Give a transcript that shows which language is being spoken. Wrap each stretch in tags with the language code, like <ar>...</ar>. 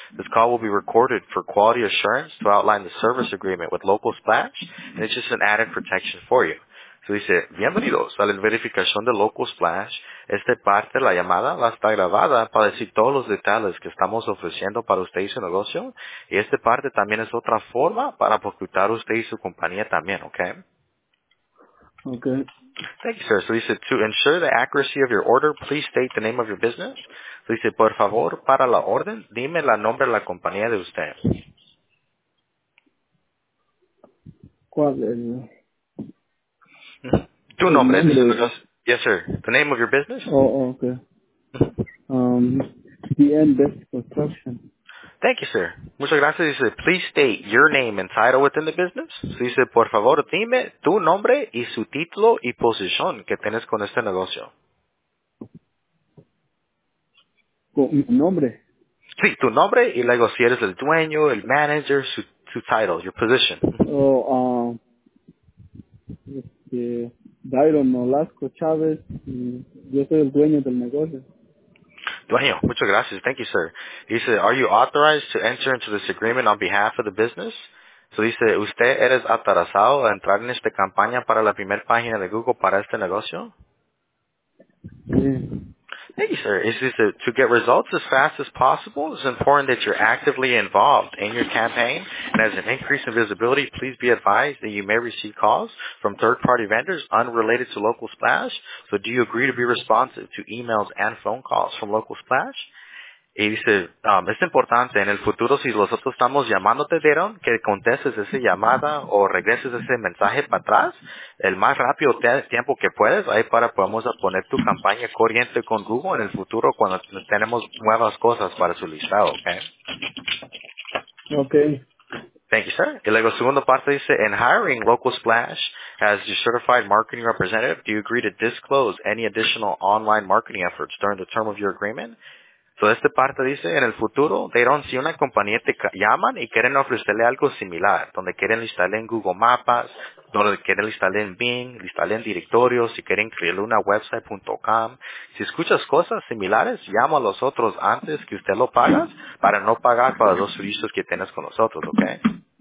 <en>This call will be recorded for quality assurance to outline the service agreement with Local Splash, and it's just an added protection for you.</en> <es>So dice, bienvenidos a la verificación de Local Splash. Esta parte, la llamada, la está grabada para decir todos los detalles que estamos ofreciendo para usted y su negocio. Y esta parte también es otra forma para ocultar usted y su compañía también, ¿ok?</es> <en>Okay. Thank you, sir. So he said, to ensure the accuracy of your order, please state the name of your business. So he said,</en> <es>por favor, para la orden, dime la nombre de la compañía de usted. ¿Cuál es? Tu nombre.</es> <en>Yes, sir. The name of your business? Oh, okay. DNBest Construction. Thank you, sir.</en> <es>Muchas gracias.</es> <en>Dice, please state your name and title within the business.</en> <es>Dice, por favor, dime tu nombre y su título y posición que tienes con este negocio. ¿Nombre? Sí, tu nombre y luego si eres el dueño, el manager, su title,</es> <en>your position.</en> <es>Oh, Byron Olasco Chávez, yo soy el dueño del negocio. Dueño, muchas gracias.</es> <en>Thank you, sir. Dice, are you authorized to enter into this agreement on behalf of the business?</en> <es>So dice, ¿usted eres autorizado a entrar en esta campaña para la primera página de Google para este negocio? Sí.</es> <en>Thank you, sir. Dice, to get results as fast as possible, it's important that you're actively involved in your campaign. And as an increase in visibility, please be advised that you may receive calls from third-party vendors unrelated to Local Splash. So do you agree to be responsive to emails and phone calls from Local Splash?</en> <es>Y dice, es importante en el futuro, si nosotros estamos llamándote, dieron que contestes esa llamada o regreses ese mensaje para atrás, el más rápido tiempo que puedes, ahí para podemos poner tu campaña corriente con Google en el futuro cuando tenemos nuevas cosas para su listado, ¿ok?</es> <en>Ok. Thank you, sir.</en> <es>Y luego, segunda parte dice,</es> <en>in hiring Local Splash as your certified marketing representative, do you agree to disclose any additional online marketing efforts during the term of your agreement?</en> <es>So, esta parte dice, en el futuro, Deron, si una compañía te llaman y quieren ofrecerle algo similar, donde quieren instalar en Google Maps, donde quieren instalar en Bing, instalar en directorios, si quieren crearle una website.com, si escuchas cosas similares, llama a los otros antes que usted lo pagas para no pagar para los servicios que tienes con nosotros, ¿ok?</es>